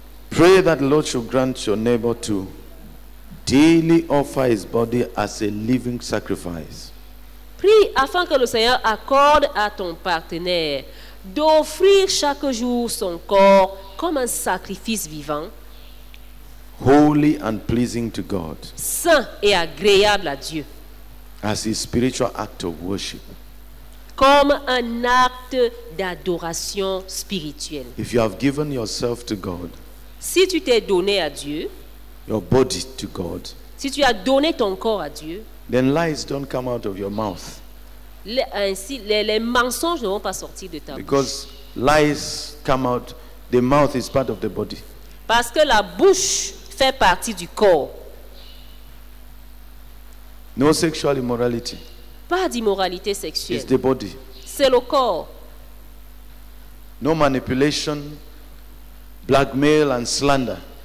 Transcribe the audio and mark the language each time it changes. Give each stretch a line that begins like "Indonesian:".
English: Pray that the Lord should grant your neighbor to daily offer his body as a living sacrifice.
French: Prie afin que le Seigneur accorde à ton partenaire d'offrir chaque jour son corps comme un sacrifice vivant.
English: Holy and pleasing to God.
French: Saint et agréable à Dieu.
English: As a spiritual act of worship.
French: Comme un acte d'adoration spirituelle.
English: If you have given yourself to God.
French: Si tu t'es donné à Dieu,
English: your body to God,
French: si tu as donné ton corps à Dieu,
English: then lies don't come out of your mouth.
French: Les mensonges ne vont pas sortir de ta bouche.
English: Because lies come out, the mouth is part of the body.
French: Parce que la bouche fait partie du corps.
English: No sexual immorality.
French: Pas d'immoralité sexuelle.
English: It's the body.
French: C'est le corps.
English: No manipulation. Blackmail and slander.